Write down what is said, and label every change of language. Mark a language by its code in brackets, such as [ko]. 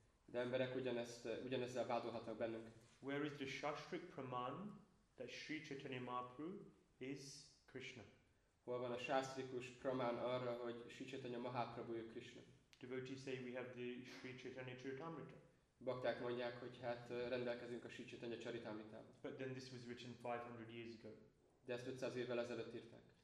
[hu] De emberek ugyanezzel vádolhatnak bennünk. [en] Where is the shastric praman that Sri Chaitanya Mahaprabhu is Krishna? [hu] Hol van a sásztrikus praman arra, hogy Sri Chaitanya Mahaprabhu ő Krishna? [en] Devotees say we have the Sri Chaitanya Charitamrita. [hu] Bakták mondják, hogy hát rendelkezünk a Sri Chaitanya Charitamritával. [en] But then this was written 500 years ago. [hu] De ezt 500 évvel ezelőtt írták.